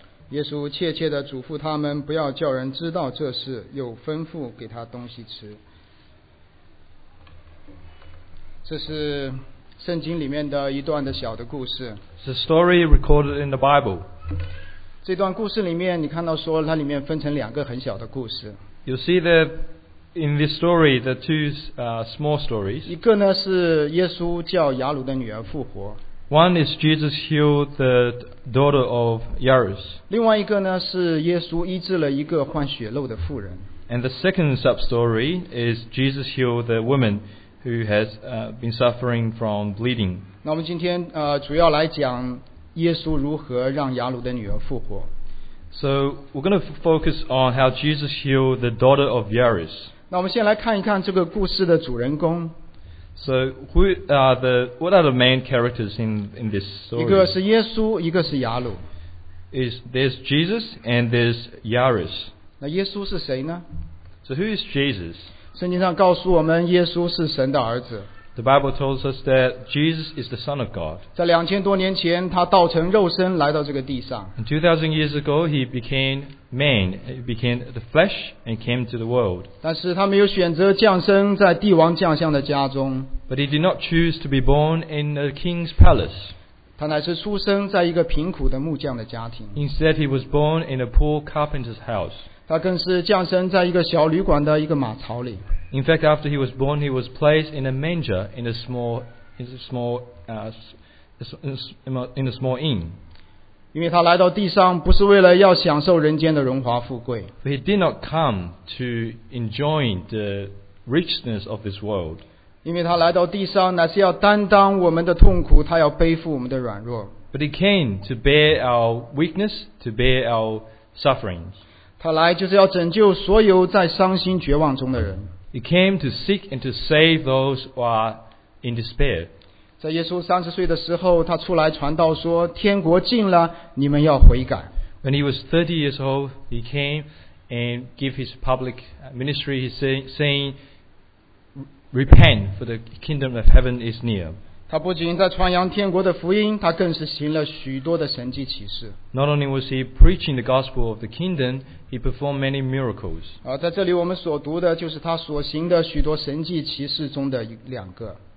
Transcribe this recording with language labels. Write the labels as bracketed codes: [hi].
[zh] 耶稣切切地嘱咐他们，不要叫人知道这事，又吩咐给他东西吃。这是圣经里面的一段的小的故事。 [en] The story recorded in the Bible. [zh] 这段故事里面，你看到说它里面分成两个很小的故事。 [en] You see that in this story, the two small stories. [zh] 一个呢是耶稣叫雅鲁的女儿复活。 [en] One is Jesus healed the daughter of Jairus. [zh] 另外一个呢是耶稣医治了一个患血漏的妇人。 [en] And the second sub story is Jesus healed the woman. Who has been suffering from bleeding? [zh] 那我们今天主要来讲耶稣如何让雅鲁的女儿复活。 [en] So we're going to focus on how Jesus healed the daughter of Jairus. [zh] 那我们先来看一看这个故事的主人公。 [en] So who are the what are the main characters in this story? [zh] 一个是耶稣，一个是雅鲁。 [en] Is there's Jesus and there's Jairus? [zh] 那耶稣是谁呢 [en] ？So who is Jesus? [zh] 圣经上告诉我们，耶稣是神的儿子。 [en] The Bible tells us that Jesus is the Son of God. [zh] 在2000多年前，他道成肉身来到这个地上。 [en] And 2000 years ago, he became man. He became the flesh and came to the world. [zh] 但是他没有选择降生在帝王将相的家中。 [en] But he did not choose to be born in the king's palace. [zh] 他乃是出生在一个贫苦的木匠的家庭。 [en] Instead, he was born in a poor carpenter's house. [zh] 他更是降生在一个小旅馆的一个马槽里。 [en] In fact, after he was born, he was placed in a manger in a small, inn. [zh] 因为他来到地上不是为了要享受人间的荣华富贵。 [en] He did not come to enjoy the richness of this world. [zh] 因为他来到地上乃是要担当我们的痛苦，他要背负我们的软弱。 [en] But he came to bear our weakness, to bear our sufferings. [zh] 他来就是要拯救所有在伤心绝望中的人。 [en] He came to seek and to save those who are in despair. [zh] 在耶稣30岁的时候，他出来传道说：“天国近了，你们要悔改。” [en] When he was 30 years old, he came and gave his public ministry. He saying, "Repent, for the kingdom of heaven is near." [zh] 他不仅在传扬天国的福音，他更是行了许多的神迹奇事。 [en] Not only was he preaching the gospel of the kingdom. He performed many miracles. [zh] 在这里我们所读的就是他所行的许多神迹奇事中的两个。